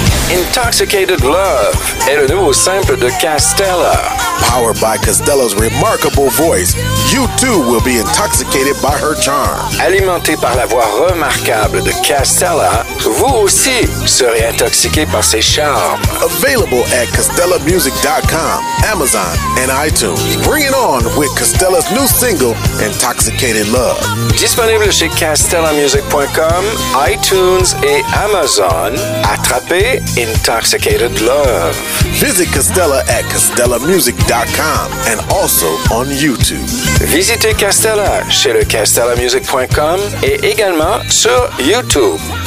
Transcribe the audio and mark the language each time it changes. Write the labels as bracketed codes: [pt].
[fr] Intoxicated Love est le nouveau simple de Castella. [en] Powered by Costello's remarkable voice, you too will be intoxicated by her charm. [fr] Alimenté par la voix remarquable de Castella, vous aussi serez intoxiqué par ses charmes. [en] Available at CostellaMusic.com, Amazon, and iTunes. Bring it on with Costello's new single, Intoxicated Love. [fr] Disponible chez CostellaMusic.com, iTunes, et Amazon. Attrapez Intoxicated Love. [en] Visit Costella at CostellaMusic.com and also on YouTube. [fr] Visitez Castella chez le CastellaMusic.com et également sur YouTube.